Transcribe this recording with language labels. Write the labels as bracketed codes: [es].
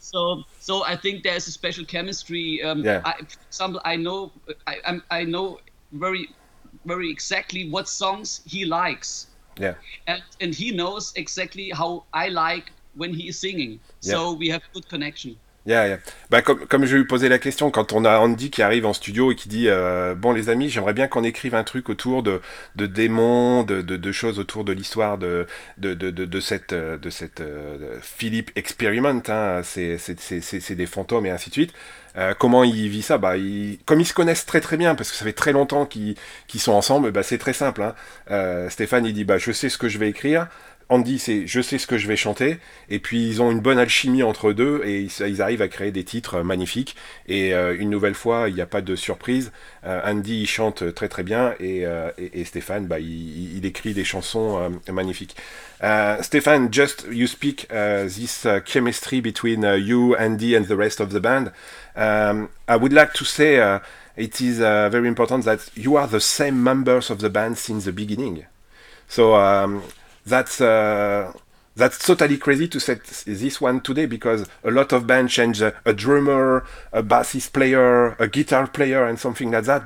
[en] So I think there's a special chemistry. I know very, very exactly what songs he likes. Yeah. And he knows exactly how I like when he is singing. Yeah. So we have good connection. Yeah, yeah. [fr] Bah, comme je lui posais la question, quand on a Andy qui arrive en studio et qui dit « Bon, les amis, j'aimerais bien qu'on écrive un truc autour de démons, de choses autour de l'histoire de cette Philip Experiment, hein, c'est des fantômes et ainsi de suite. Comment il vit ça ? Bah, comme ils se connaissent très très bien, parce que ça fait très longtemps qu'ils sont ensemble, bah, c'est très simple. Hein. Stéphane, il dit « Je sais ce que je vais écrire. » Andy, c'est « je sais ce que je vais chanter », et puis ils ont une bonne alchimie entre deux, et ils arrivent à créer des titres magnifiques, et une nouvelle fois, il n'y a pas de surprise, Andy, il chante très très bien, et Stéphane, bah, il écrit des chansons magnifiques. [en] Stéphane, just you speak this chemistry between you, Andy, and the rest of the band. I would like to say it is very important that you are the same members of the band since the beginning. So, that's totally crazy to set this one today, because a lot of bands change a drummer, a bassist player, a guitar player, and something like that.